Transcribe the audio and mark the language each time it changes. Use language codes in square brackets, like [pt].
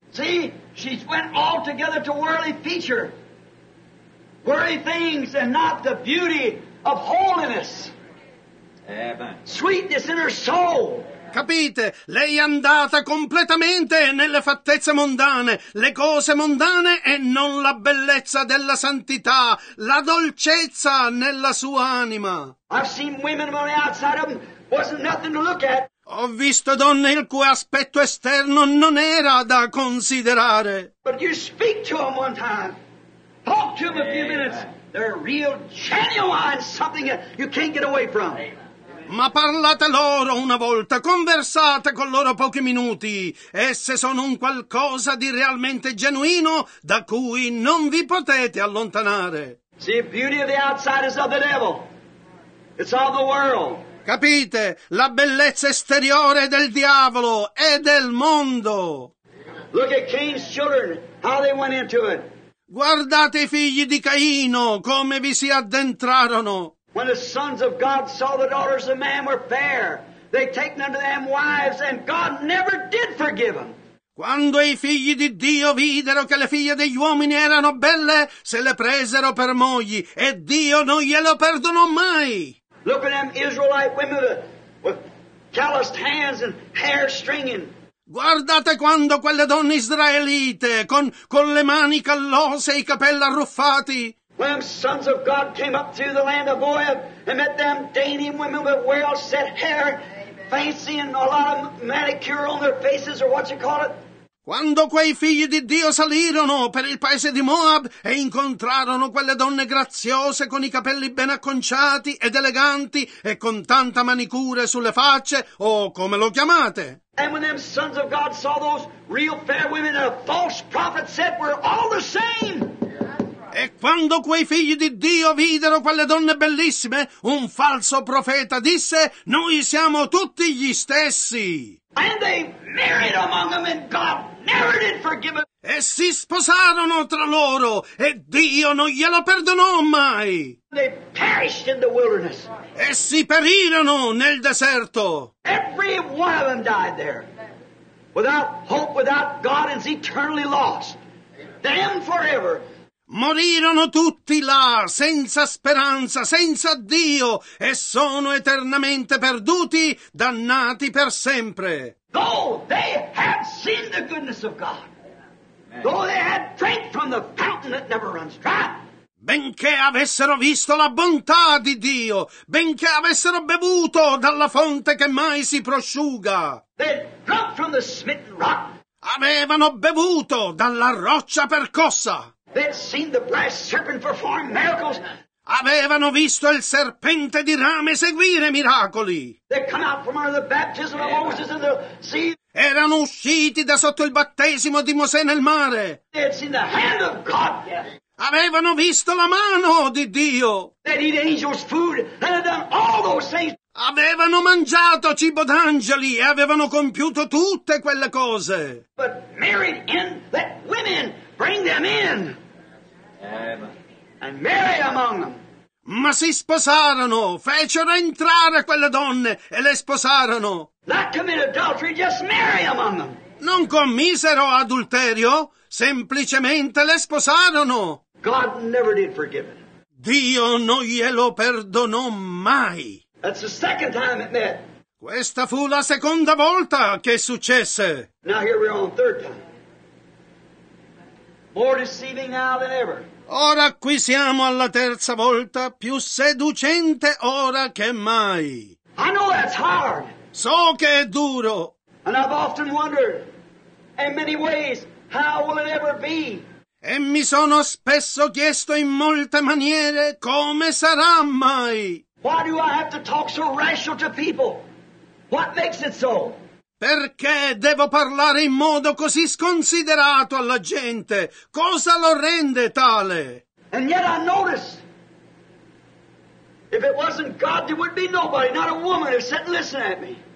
[en] See, she went all together to worldly feature, worldly things and not the beauty of holiness. Sweetness in her soul. [it] Capite? Lei è andata completamente nelle fattezze mondane, le cose mondane, e non la bellezza della santità, la dolcezza nella sua anima. [en] I've seen women on the outside of them wasn't nothing to look at. [it] Ho visto donne il cui aspetto esterno non era da considerare. [en] But you speak to them one time, talk to them a few minutes, they're real genuine, something you can't get away from. [it] Ma parlate loro una volta, conversate con loro pochi minuti. Esse sono un qualcosa di realmente genuino da cui non vi potete allontanare. [en] See, beauty of the outside is of the devil. It's of the world. [it] Capite? La bellezza esteriore è del diavolo, è del mondo. [en] Look at Cain's children, how they went into it. [it] Guardate i figli di Caino, come vi si addentrarono. [en] When the sons of God saw the daughters of man were fair, they taken unto them wives, and God never did forgive them. [it] Quando i figli di Dio videro che le figlie degli uomini erano belle, se le presero per mogli, e Dio non glielo perdonò mai. [en] Look at them Israelite women with calloused hands and hair stringing. [it] Guardate quando quelle donne israelite con le mani callose e i capelli arruffati. [en] When sons of God came up through the land of Moab and met them dainty women with well-set hair, fancy and a lot of manicure on their faces, or what you call it. [it] Quando quei figli di Dio salirono per il paese di Moab e incontrarono quelle donne graziose con i capelli ben acconciati ed eleganti e con tanta manicure sulle facce, o come lo chiamate. [en] And when them sons of God saw those real fair women, a false prophet said, we're all the same. [it] E quando quei figli di Dio videro quelle donne bellissime, un falso profeta disse, noi siamo tutti gli stessi. [en] And they married among them and God never did forgive them. [it] E si sposarono tra loro e Dio non glielo perdonò mai. [en] They perished in the wilderness. [it] E si perirono nel deserto. [en] Every one of them died there. Without hope, without God, is eternally lost. Them forever. [it] Morirono tutti là, senza speranza, senza Dio, e sono eternamente perduti, dannati per sempre. [en] Though they had seen the goodness of God, though they had drank from the fountain that never runs dry, [it] benché avessero visto la bontà di Dio, benché avessero bevuto dalla fonte che mai si prosciuga, [en] they drank from the smitten rock, [it] avevano bevuto dalla roccia percossa. [en] They'd seen the brass serpent perform miracles. [it] Avevano visto il serpente di rame eseguire miracoli. [en] They come out from under the baptism of Moses in the sea. [it] Erano usciti da sotto il battesimo di Mosè nel mare. [en] They'd seen the hand of God. [it] Avevano visto la mano di Dio. [en] They'd eat angels' food and had done all those things. [it] Avevano mangiato cibo d'angeli e avevano compiuto tutte quelle cose. [en] But Mary and let women bring them in. And Mary among them. [it] Ma si sposarono, fecero entrare quelle donne e le sposarono. [en] Not commit adultery, just marry among them. [it] Non commisero adulterio, semplicemente le sposarono. [en] God never did forgive it. [it] Dio non glielo perdonò mai. [en] That's the second time it met. [it] Questa fu la seconda volta che successe. [en] Now here we are on the third time. More deceiving now than ever. [it] Ora qui siamo alla terza volta, più seducente ora che mai. [en] I know that's hard. [it] So che è duro. [en] And I've often wondered, in many ways, how will it ever be? [it] E mi sono spesso chiesto in molte maniere come sarà mai. [en] Why do I have to talk so rash to people? What makes it so? [it] Perché devo parlare in modo così sconsiderato alla gente? Cosa lo rende tale? [en] And yet I notice, if it wasn't God, there would be nobody, not a woman, to sit and listen at me.